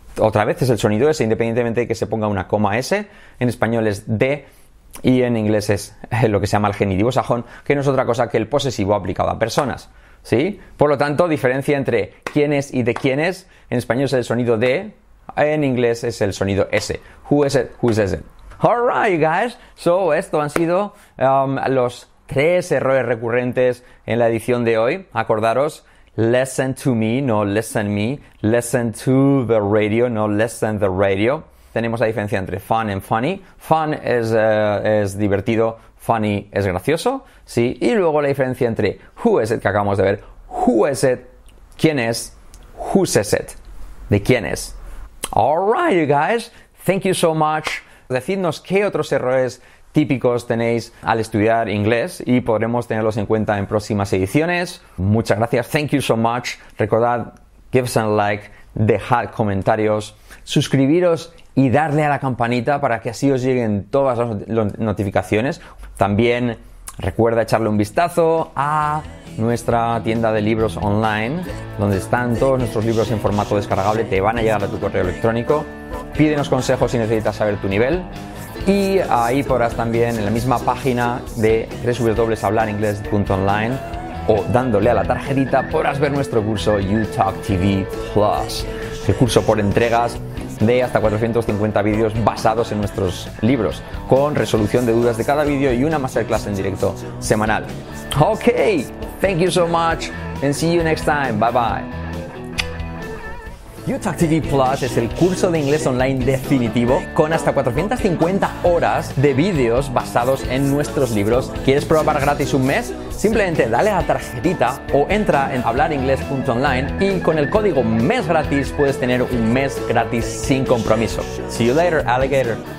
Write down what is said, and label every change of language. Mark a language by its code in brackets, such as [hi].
[es] Otra vez es el sonido S, independientemente de que se ponga una coma S. En español es de y en inglés es lo que se llama el genitivo sajón, que no es otra cosa que el posesivo aplicado a personas. ¿Sí? Por lo tanto, diferencia entre quién es y de quién es. En español es el sonido de, en inglés es el sonido S. [en] Who is it? Who is it? All right, guys. [es] So, esto han sido los tres errores recurrentes en la edición de hoy. Acordaros. [en] Listen to me, no listen me. Listen to the radio, no listen the radio. [es] Tenemos la diferencia entre fun and funny. Fun es divertido, funny es gracioso, ¿sí? Y luego la diferencia entre [en] who is it, [es] que acabamos de ver. [en] Who is it, [es] quién es, [en] whose is it, [es] de quién es. [en] All right, you guys, thank you so much. [es] Decidnos qué otros errores típicos tenéis al estudiar inglés y podremos tenerlos en cuenta en próximas ediciones. Muchas gracias. [en] Thank you so much. [es] Recordad, [en] give us a like, [es] dejad comentarios, suscribiros y darle a la campanita para que así os lleguen todas las notificaciones. También recuerda echarle un vistazo a nuestra tienda de libros online, donde están todos nuestros libros en formato descargable. Te van a llegar a tu correo electrónico. Pídenos consejos si necesitas saber tu nivel. Y ahí podrás también en la misma página de www.hablaringles.online o dándole a la tarjetita podrás ver nuestro curso UTalk TV Plus, el curso por entregas de hasta 450 vídeos basados en nuestros libros, con resolución de dudas de cada vídeo y una masterclass en directo semanal. [en] Ok, thank you so much and see you next time. Bye bye. [es] UTalk TV Plus es el curso de inglés online definitivo con hasta 450 horas de vídeos basados en nuestros libros. ¿Quieres probar gratis un mes? Simplemente dale a la tarjetita o entra en hablaringles.online y con el código MESGRATIS puedes tener un mes gratis sin compromiso. [en] See you later, alligator.